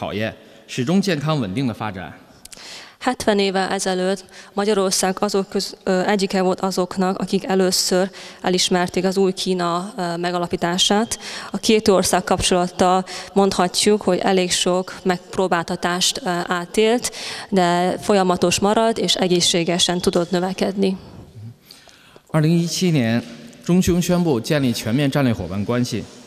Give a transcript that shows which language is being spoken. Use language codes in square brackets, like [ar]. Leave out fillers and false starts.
[zh] 70年前，匈牙利是最早承认新中国成立的国家之一。两国关系发展至今可以说是经受住了风雨的考验，始终健康稳定的发展。 [hu] 70 évvel ezelőtt Magyarország azok egyike volt azoknak, akik először elismerték az új Kína megalapítását. A két ország kapcsolata mondhatjuk, hogy elég sok megpróbáltatást átélt, de folyamatos maradt és egészségesen tudott növekedni. [zh] 2017年，中匈宣布建立全面战略伙伴关系。